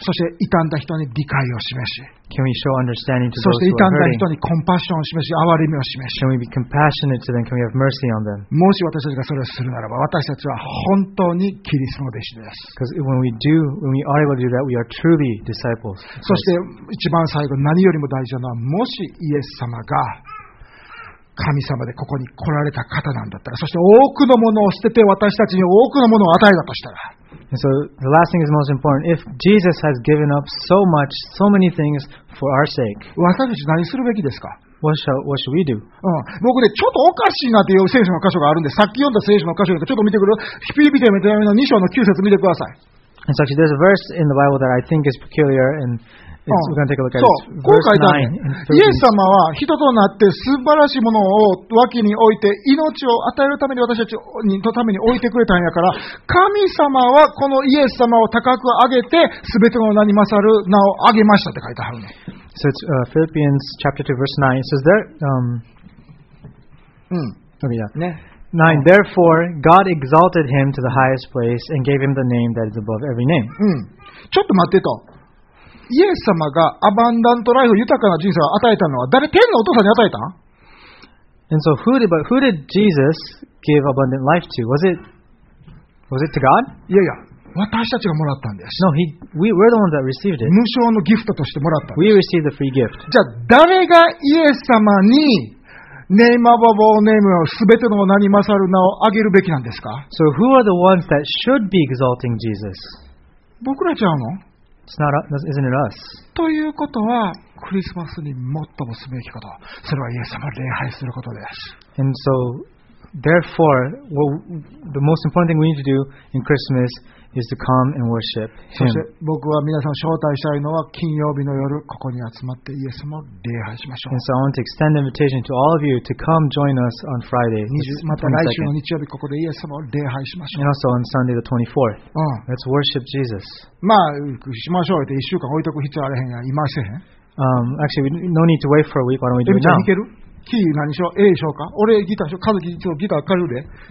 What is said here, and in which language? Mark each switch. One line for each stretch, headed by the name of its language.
Japanese: そして傷んだ人に理解を示し、
English: Can we show understanding to those who are hurting?
Japanese: そして傷んだ人にコンパッションを示し、憐れみを示し、
English: Can we be compassionate to them? Can we have mercy on them?
Japanese: もし私たちがそれをするならば私たちは本当にキリストの弟子です。
English: Because when we do, when we are able to do that, we are truly disciples.
Japanese: そして一番最後、何よりも大事なのは、もしイエス様が神様でここに来られた方なんだったら、そして多くのものを捨てて私たちに多くのものを与えたとしたら、
English: So the last thing is most important. If Jesus has given up so much, so many things for our sake,
Japanese: 私たち何するべきですか？
English: What should we do?
Japanese: 僕ね、ちょっとおかしいなという聖書の箇所があるんで、さっき読んだ聖書の箇所をちょっと見てくる。ヒピリビテの手紙の2章の9節見てください。
English: And actually, there's a verse in the Bible that I think is peculiar and
Japanese: そう、今回イエス様は人となって素晴らしいものを脇に置いて命を与えるために私たちのために置いてくれたんやから、神様はこのイエス様を高く上げて全ての名に勝る名を上げましたって書いてあるね。
English: So it's Philippians chapter 2 verse 9. It says there, okay, yeah.
Japanese: ね。
English: 9. Therefore, God exalted him to the highest place and gave him the name that is above every name.
Japanese: ちょっと待ってと。イエス様がアバンダントライフ、豊かな人生を与えたのは誰？天のお父さんに与えたん？
English: And so who did Jesus give abundant life to? Was it to God?
Japanese: いやいや、私たちがもらったんです。
English: No, we're the ones that received it.
Japanese: 無償のギフトとしてもらったんです。
English: We received the free gift.
Japanese: じゃあ誰がイエス様にネイマーバボーネームをすべての名に勝る名をあげるべきなんですか
English: ？So who are the ones that should be exalting Jesus?
Japanese: 僕らちゃうの？
English: Isn't it us?
Japanese: ということは、クリスマスに最もすべきこと、それはイエス様を礼拝することです。
English: And so, therefore, well, the most important thing we need to do in Christmas is to come and worship Him.
Japanese: そして僕は皆さん招待したいのは、金曜日の夜ここに集まってイエス様を礼拝しましょう。
English: And so I want to extend an invitation to all of you to come join us on Friday.
Japanese: また来週の日曜日ここでイエス様を礼拝しましょう。
English: And also on Sunday the 24th. Let's worship Jesus.
Japanese: まあしましょうって1週間置いておく必要あれへんや、いませんへん。
English: Actually, no need to wait for a week. Why don't we do it now?
Japanese: いける？キー何しよう？ A しようか？俺ギターしよう？カズキギター借りるで。